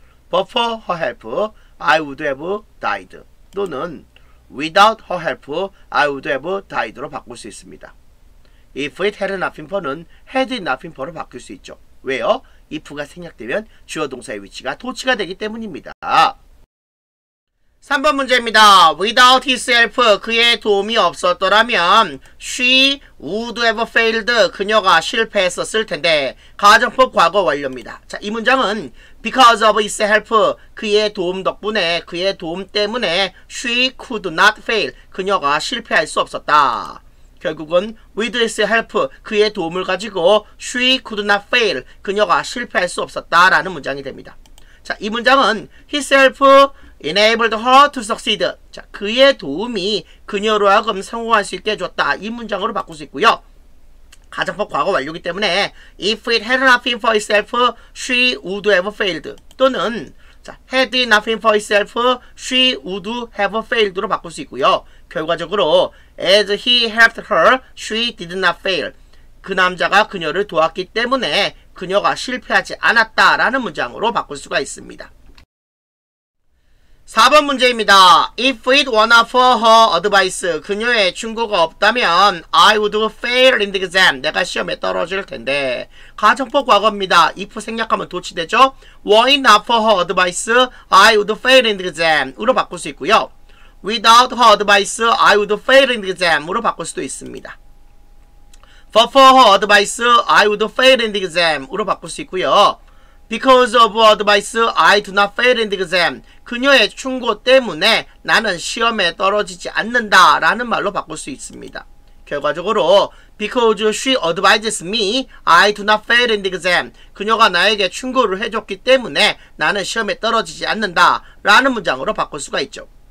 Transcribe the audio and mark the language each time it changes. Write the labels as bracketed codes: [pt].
[en] But for her help, I would have died [ko] 또는 [en] without her help, I would have died로 [ko] 바꿀 수 있습니다. [en] If it had not been for는 had it not been for로 [ko] 바뀔 수 있죠. 왜요? if가 생략되면 주어 동사의 위치가 도치가 되기 때문입니다. 3번 문제입니다. [en] Without his help, [ko] 그의 도움이 없었더라면 [en] she would have failed, [ko] 그녀가 실패했었을 텐데 가정법 과거 완료입니다. 자, 이 문장은 [en] because of his help, [ko] 그의 도움 덕분에 그의 도움 때문에 [en] she could not fail, [ko] 그녀가 실패할 수 없었다. 결국은 [en] with his help, [ko] 그의 도움을 가지고 [en] she could not fail, [ko] 그녀가 실패할 수 없었다 라는 문장이 됩니다. 자, 이 문장은 [en] his help enabled her to succeed. [ko] 자, 그의 도움이 그녀로 하금 성공할 수 있게 해줬다 이 문장으로 바꿀 수 있고요. 가정법 과거 완료이기 때문에 [en] if it had not been for his help, she would have failed 또는 자, had it not been for his help, she would have failed [ko] 로 바꿀 수 있고요. 결과적으로 [en] As he helped her, she did not fail. [ko] 그 남자가 그녀를 도왔기 때문에 그녀가 실패하지 않았다 라는 문장으로 바꿀 수가 있습니다. 4번 문제입니다. [en] If it were not for her advice, [ko] 그녀의 충고가 없다면 [en] I would fail in the exam. [ko] 내가 시험에 떨어질 텐데. 가정법 과거입니다. [en] if [ko] 생략하면 도치되죠? [en] Were it not for her advice, I would fail in the exam [ko] 으로 바꿀 수 있고요. [en] Without her advice, I would fail in the exam으로 [ko] 바꿀 수도 있습니다. [en] For her advice, I would fail in the exam으로 [ko] 바꿀 수 있고요. [en] Because of her advice, I do not fail in the exam. [ko] 그녀의 충고 때문에 나는 시험에 떨어지지 않는다 라는 말로 바꿀 수 있습니다. 결과적으로 [en] Because she advises me, I do not fail in the exam. [ko] 그녀가 나에게 충고를 해줬기 때문에 나는 시험에 떨어지지 않는다 라는 문장으로 바꿀 수가 있죠.